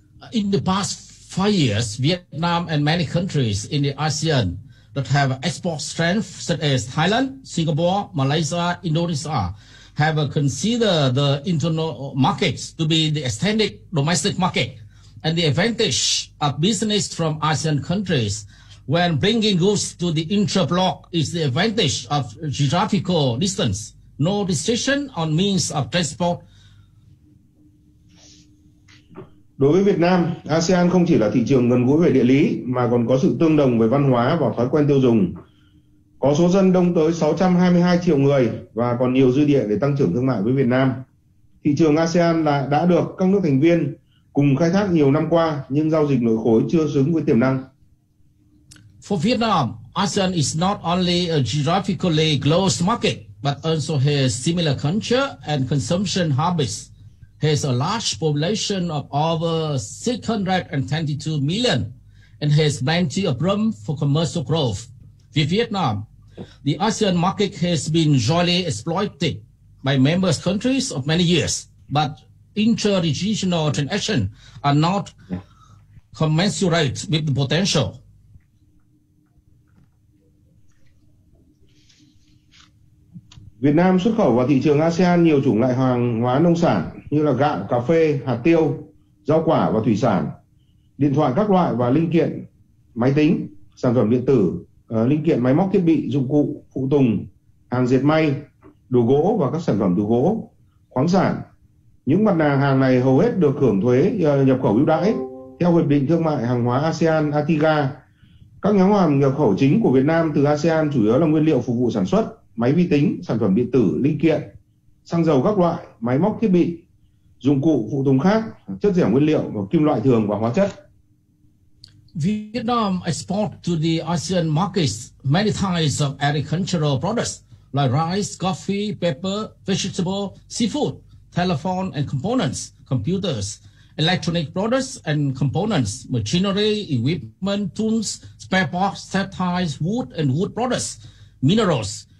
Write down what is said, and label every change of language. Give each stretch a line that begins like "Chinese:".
English: In the past 5 years, Vietnam and many countries in the ASEAN that have export strength such as Thailand, Singapore, Malaysia, Indonesia have considered the internal markets to be the extended domestic market, and the advantage of business from ASEAN countries when bringing goods to the intra-bloc is the advantage of geographical distance, no restriction on means of transport.
Vietnamese: Đối với Việt Nam, ASEAN không chỉ là thị trường gần gũi về địa lý mà còn có sự tương đồng về văn hóa và thói quen tiêu dùng. Có số dân đông tới 622 triệu người và còn nhiều dư địa để tăng trưởng thương mại với Việt Nam. Thị trường ASEAN đã được các nước thành viên cùng khai thác nhiều năm qua nhưng giao dịch nội khối chưa xứng với tiềm năng.
English: For Vietnam, ASEAN is not only a geographically closed market but also has similar culture and consumption habits. Has a large population of over 622 million and has plenty of room for commercial growth. With Vietnam, the ASEAN market has been jointly exploited by member countries of many years, but intra-regional transactions are not commensurate with the potential.
Vietnamese: Việt Nam xuất khẩu vào thị trường ASEAN nhiều chủng loại hàng hóa nông sản như là gạo, cà phê, hạt tiêu, rau quả và thủy sản, điện thoại các loại và linh kiện, máy tính, sản phẩm điện tử, linh kiện máy móc thiết bị, dụng cụ, phụ tùng, hàng dệt may, đồ gỗ và các sản phẩm từ gỗ, khoáng sản. Những mặt hàng này hầu hết được hưởng thuế nhập khẩu ưu đãi theo Hiệp định Thương mại Hàng hóa ASEAN ATIGA. Các nhóm hàng nhập khẩu chính của Việt Nam từ ASEAN chủ yếu là nguyên liệu phục vụ sản xuất, máy vi tính, sản phẩm điện tử, linh kiện, xăng dầu các loại, máy móc thiết bị, dụng cụ, phụ tùng khác, chất dẻo nguyên liệu, kim loại thường và hóa chất.
English: Vietnam export to the ASEAN markets many types of agricultural products like rice, coffee, paper, vegetable, seafood, telephone and components, computers, electronic products and components, machinery, equipment, tools, spare parts, spare tires, wood and wood products, minerals.